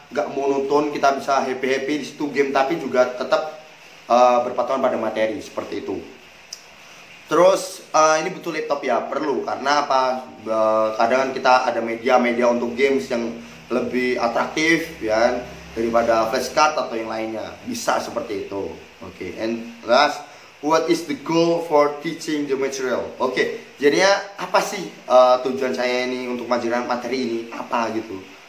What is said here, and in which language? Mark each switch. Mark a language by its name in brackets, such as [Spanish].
[Indonesian] nggak monoton, kita bisa happy-happy di situ game, tapi juga tetap berpatokan pada materi seperti itu. Terus ini butuh laptop ya, perlu, karena apa, kadang kita ada media-media untuk games yang lebih atraktif ya daripada flashcard atau yang lainnya, bisa seperti itu. Oke, okay. [English] And last, what is the goal for teaching the material? Oke, okay. [Indonesian] Jadinya apa sih tujuan saya ini untuk mengajarkan materi ini apa gitu?